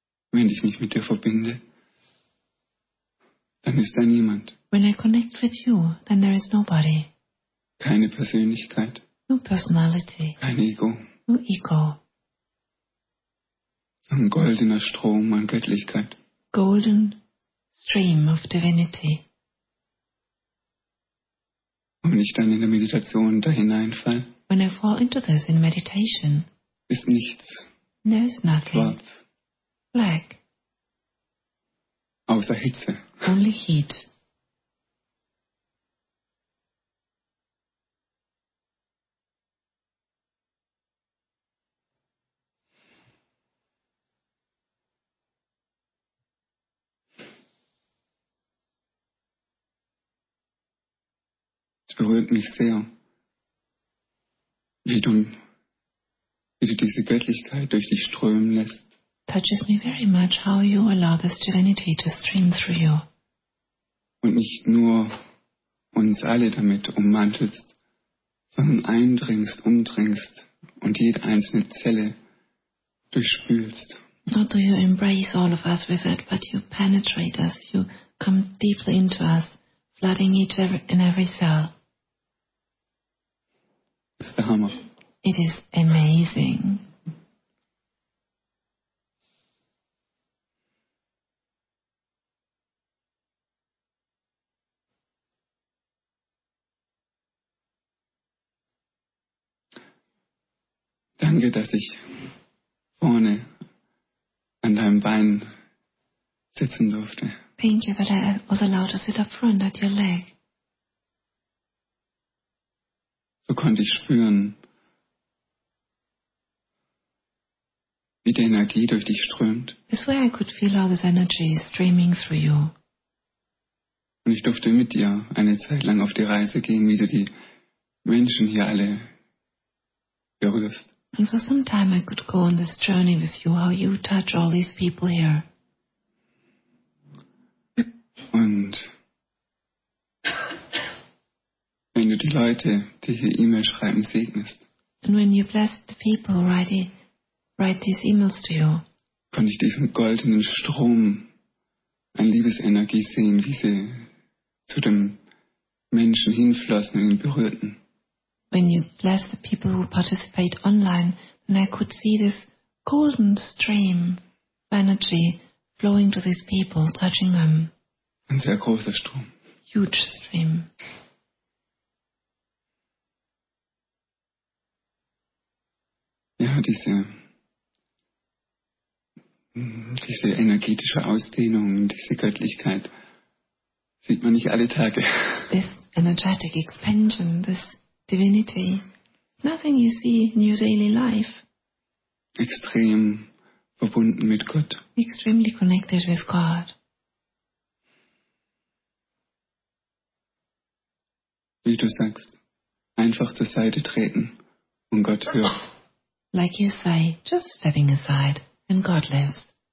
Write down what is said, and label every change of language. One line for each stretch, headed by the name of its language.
German: Wenn ich mich mit dir verbinde, dann ist da niemand.
English: When I connect with you, then there is nobody.
German: Keine Persönlichkeit.
English: No personality.
German: Kein Ego.
English: No ego.
German: Ein goldener Strom an Göttlichkeit.
English: Golden stream of divinity.
German: Wenn ich dann in der Meditation da hineinfall,
English: when I fall into this in meditation,
German: ist nichts.
English: There is nothing.
German: Schwarz.
English: Black.
German: Außer Hitze.
English: Only heat.
German: Es berührt mich sehr, wie du diese Göttlichkeit durch dich strömen lässt.
English: Touches me very much how you allow this divinity to stream through you.
German: Und nicht nur uns alle damit ummantelst, sondern eindringst, umdringst und jede einzelne Zelle durchspülst.
English: Not do you embrace all of us with it, but you penetrate us, you come deeply into us, flooding each and every cell.
German: Das ist der Hammer.
English: It is amazing.
German: Danke, dass ich vorne an deinem Bein sitzen durfte.
English: Thank you that I was allowed to sit up front at your leg.
German: So konnte ich spüren, wie die Energie durch dich strömt.
English: This way I could feel how this energy is streaming through you.
German: Und ich durfte mit dir eine Zeit lang auf die Reise gehen, wie du die Menschen hier alle berührst.
English: And for some time I could go on this journey with you, how you touch all these people here.
German: Und wenn du die Leute, die hier E-Mail schreiben, segnest.
English: And when you bless the people write these emails to you.
German: Konnte ich diesen goldenen Strom an Liebesenergie sehen, wie sie zu dem Menschen hinflossen und ihn berührten.
English: When you bless the people who participate online, then I could see this golden stream of energy flowing to these people, touching them.
German: Ein sehr großer Strom.
English: Huge stream.
German: Ja, diese energetische Ausdehnung, diese Göttlichkeit sieht man nicht alle Tage.
English: This energetic expansion, this divinity, nothing you see in your daily life.
German: Extrem verbunden mit Gott.
English: Extremely connected with God.
German: Wie du sagst, einfach zur Seite treten und Gott hört.
English: Like you say, just stepping aside and God lives.